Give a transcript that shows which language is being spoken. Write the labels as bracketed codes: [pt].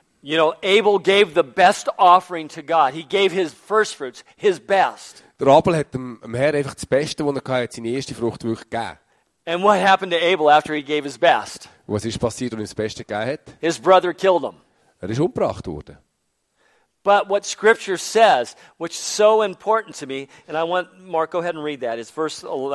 [en] You know, Abel gave the best offering to God. He gave his first fruits, his best. [de] Der Abel hat dem Herrn einfach das Beste, was er hatte, hat seine erste Frucht wirklich gegeben. [en] And what happened to Abel after he gave his best? [de] Was ist passiert, als er das Beste gegeben hat? [en] His brother killed him. [de] Er ist umgebracht worden. [en] But what Scripture says, which is so important to me, and I want Mark, go ahead and read that. It's verse 4.